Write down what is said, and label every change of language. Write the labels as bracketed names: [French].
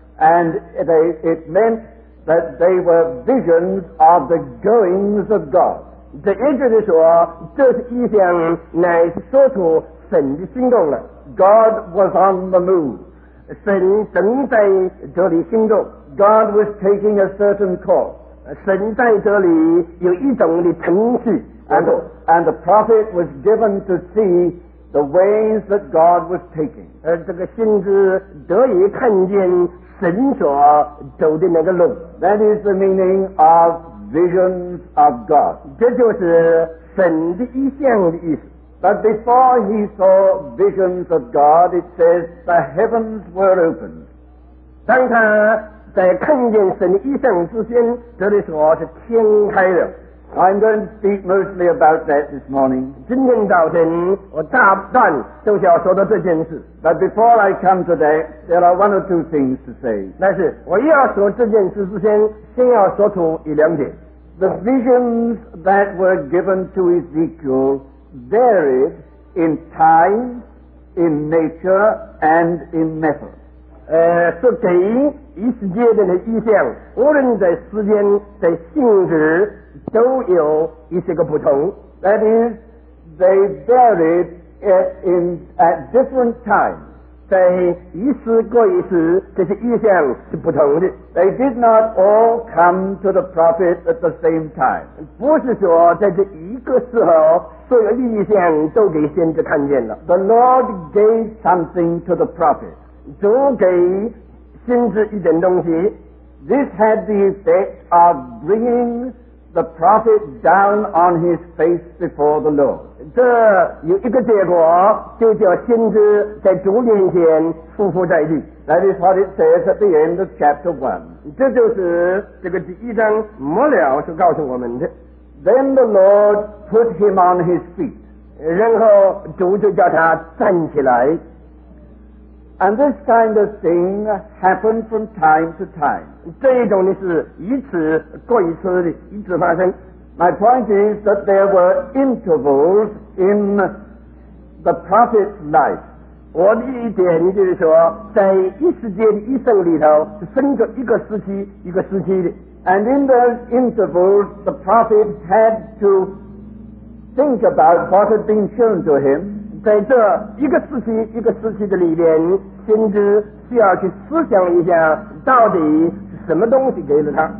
[English] And it meant that they were visions of the goings of God. [Chinese] 这也就是说这是意象乃是说出神的行动了。 [English] God was on the move. [Chinese] 神正在这里行动。 [English] God was taking a certain course. [Chinese] 神在这里有一种的程序。 [English] And the prophet was given to see the ways that God was taking. [Chinese] 这个先知得以看见神所走的那个路。 [English] That is the meaning of visions of God. [Chinese] 这就是神的意象的意思。 [English] But before he saw visions of God, it says the heavens were opened. [Chinese] 当他在看见神的意象之前，这里说是天开了。 [English] I'm going to speak mostly about that this morning. [Chinese] 今天早晨我大半都是要说到这件事。 [English] But before I come to that, there are one or two things to say. [Chinese] 但是我要说这件事之前，先要说出一两点。 [English] The visions that were given to Ezekiel varied in time, in nature, and in method. [Chinese] 是给以色列人的意象，无论在时间、在性质，都有一些个不同。 [English] That is, they varied at different times. [Chinese] 在一时过一时，这些意象是不同的。 [English] They did not all come to the prophet at the same time. [Chinese] 不是说在这一个时候，所有的意象都给先知看见了。 [English] The Lord gave something to the prophet. [Chinese] 主给先知一点东西。 [English] This had the effect of bringing the prophet down on his face before the Lord. [Chinese] 这有一个结果，就叫先知在主面前匍匐在地。 [English] That is what it says at the end of chapter 1. [Chinese] 这就是这个第一章末了所告诉我们的。 [English] Then the Lord put him on his feet. [Chinese] 然后主就叫他站起来。 [English] And this kind of thing happened from time to time. [Chinese] 这一种呢是一次过一次的，一次发生。 [English] My point is that there were intervals in the prophet's life. [Chinese] 我的一点就是说，在一时间一生里头，分着一个时期一个时期的。 [English] And in those intervals, the prophet had to think about what had been shown to him. [Chinese] 在这一个时期一个时期的里面，先知需要去思想一下到底是什么东西给了他，